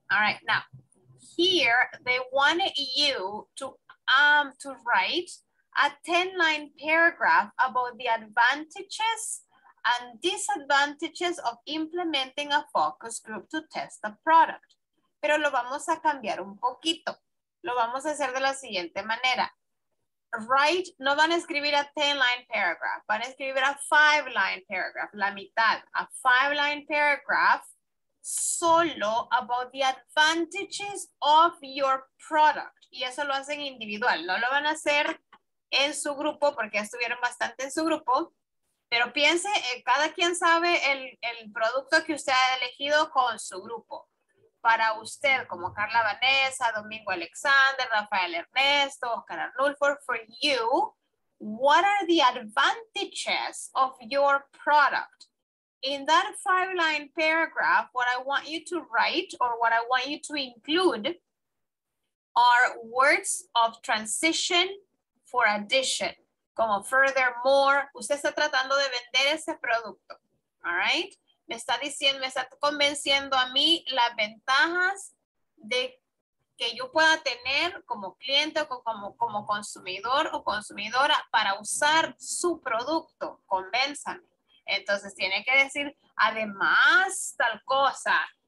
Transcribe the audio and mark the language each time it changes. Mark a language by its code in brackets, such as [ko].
[en] All right, now, here they wanted you to write a 10-line paragraph about the advantages and disadvantages of implementing a focus group to test the product. [es] Pero lo vamos a cambiar un poquito. Lo vamos a hacer de la siguiente manera. [en] Write, [es] no van a escribir [en] a 10-line paragraph, [es] van a escribir [en] a 5-line paragraph, [es] la mitad, [en] a 5-line paragraph solo about the advantages of your product. [es] Y eso lo hacen individual, no lo van a hacer en su grupo porque ya estuvieron bastante en su grupo, pero piense, cada quien sabe el producto que usted ha elegido con su grupo. Para usted, como Carla Vanessa, Domingo Alexander, Rafael Ernesto, Oscar Arnulfo, [en] for you, what are the advantages of your product? In that 5-line paragraph, what I want you to write or what I want you to include are words of transition for addition. [es] Como furthermore, usted está tratando de vender ese producto, all right? Me está diciendo, me está convenciendo a mí las ventajas de que yo pueda tener como cliente o como consumidor o consumidora para usar su producto. Convénzame. Entonces tiene que decir, además, tal cosa.